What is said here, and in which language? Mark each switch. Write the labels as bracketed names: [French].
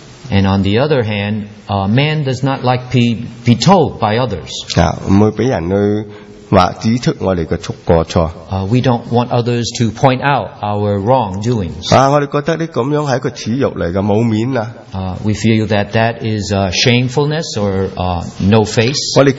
[English] And on the other hand, man does not like be told by others. [Cantonese] 唔会俾人去话指出我哋嘅错。 [English] We don't want others to point out our wrongdoings. [Cantonese] 我哋觉得呢咁样系一个耻辱嚟嘅，冇面啊。 [English] We feel that that is shamefulness or no face.